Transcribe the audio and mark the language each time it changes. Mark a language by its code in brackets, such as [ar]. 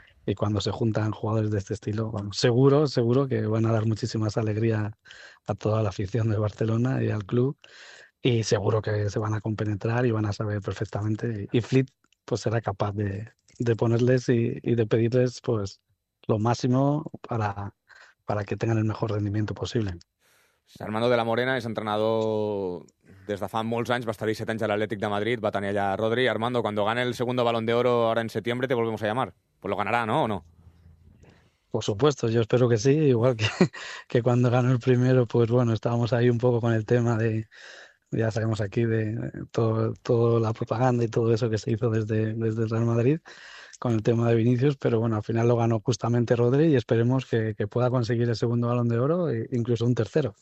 [es] Y cuando se juntan jugadores de este estilo, bueno, seguro, seguro que van a dar muchísimas alegrías a toda la afición de Barcelona y al club. Y seguro que se van a compenetrar y van a saber perfectamente. Y Flick, pues, será capaz de ponerles y de pedirles, pues, lo máximo para que tengan el mejor rendimiento posible. [ca] Armando de la Morena es entrenador des de fa molts anys, va estar 17 anys a l'Atlètic de Madrid, va tenir allà Rodri. [es] Armando, cuando gane el segundo Balón de Oro ahora en septiembre, te volvemos a llamar. Pues lo ganará, ¿no? ¿O no? Por supuesto, yo espero que sí, igual que cuando ganó el primero, pues bueno, estábamos ahí un poco con el tema de, ya sabemos aquí, de toda la propaganda y todo eso que se hizo desde el Real Madrid con el tema de Vinicius, pero bueno, al final lo ganó justamente Rodri y esperemos que pueda conseguir el segundo Balón de Oro e incluso un tercero.